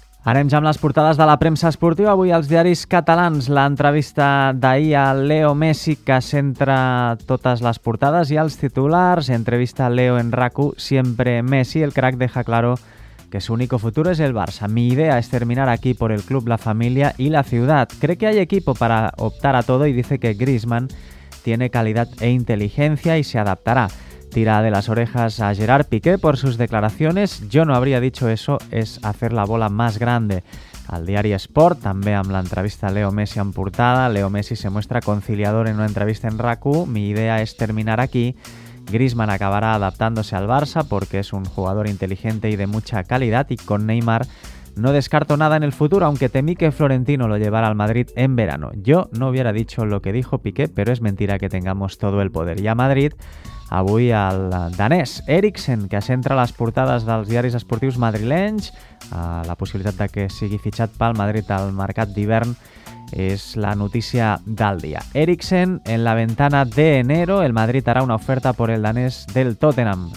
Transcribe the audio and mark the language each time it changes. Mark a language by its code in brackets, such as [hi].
[ca] Anem ja amb les portades de la premsa esportiva. Avui als diaris catalans, l'entrevista d'ahir a Leo Messi, que centra totes les portades i els titulars. [es] Entrevista a Leo en RAC1, siempre Messi. El crack deja claro que su único futuro es el Barça. Mi idea es terminar aquí por el club, la familia y la ciudad. Cree que hay equipo para optar a todo y dice que Griezmann tiene calidad e inteligencia y se adaptará. Tira de las orejas a Gerard Piqué por sus declaraciones. Yo no habría dicho eso, es hacer la bola más grande. [ca] Al diari Sport, també amb l'entrevista a Leo Messi en portada. [es] Leo Messi se muestra conciliador en una entrevista en RAC1. Mi idea es terminar aquí. Griezmann acabará adaptándose al Barça porque es un jugador inteligente y de mucha calidad. Y con Neymar no descarto nada en el futuro, aunque temí que Florentino lo llevara al Madrid en verano. Yo no hubiera dicho lo que dijo Piqué, pero es mentira que tengamos todo el poder. [ca] Y a Madrid, avui el danès Eriksen, que centra les portades dels diaris esportius madrilenys. La possibilitat de que sigui fitxat pel Madrid al mercat d'hivern és la notícia del dia. Eriksen [es] en la ventana de enero, [ca] el Madrid farà una oferta per el danès del Tottenham.